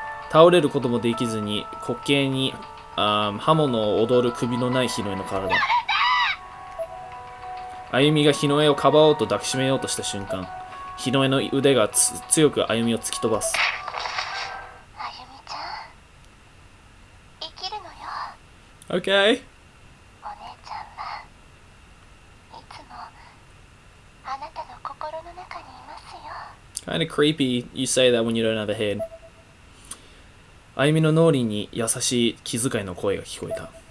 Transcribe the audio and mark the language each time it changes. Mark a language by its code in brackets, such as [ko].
[ja] 倒れることもできずに滑稽に 刃物を踊る首のない日の絵の体。あゆみが日の絵をかばおうと抱きしめようとした瞬間、日の絵の腕が強くあゆみを突き飛ばす。あゆみちゃん、生きるのよ。 [en] Okay。 [ja] お姉ちゃんはいつもあなたの心の中にいますよ。Kind [en] of creepy you say that when you don't have a head. [ja] あゆみの脳裏に優しい気遣いの声が聞こえた。